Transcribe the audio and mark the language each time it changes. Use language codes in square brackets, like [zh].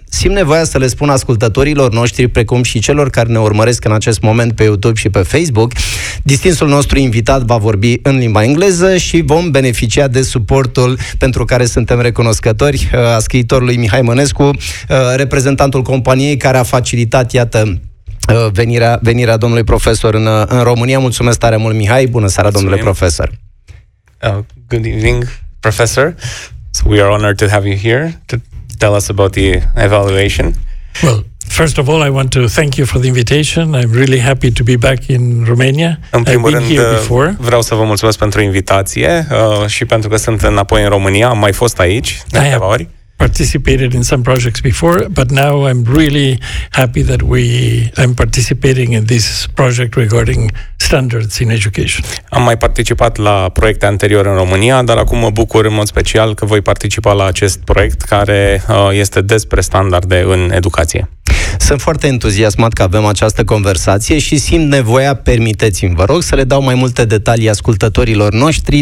[ro] Simt nevoia să le spun ascultătorilor noștri, precum și celor care ne urmăresc în acest moment pe YouTube și pe Facebook, distinsul nostru invitat va vorbi în limba engleză și vom beneficia de suportul pentru care suntem recunoscători a scriitorului Mihai Mănescu, reprezentantul companiei care a facilitat, iată, venirea domnului profesor în România. Mulțumesc tare mult, Mihai! Bună seara, domnule profesor! [en] Good evening, professor. So we are honored to have you here to tell us about the evaluation. Well, first of all, I want to thank you for the invitation. I'm really happy to be back in Romania. [ro] În primul rând, vreau să vă mulțumesc pentru invitație și pentru că sunt înapoi în România. Am mai fost aici de câteva ori. [en] Participated in some projects before, but now I'm really happy that I'm participating in this project regarding standards in education. [ro] Am mai participat la proiecte anterioare în România, dar acum mă bucur în mod special că voi participa la acest proiect care este despre standarde în educație. Sunt foarte entuziasmat că avem această conversație și simt nevoia, permiteți-mi, vă rog, să le dau mai multe detalii ascultătorilor noștri.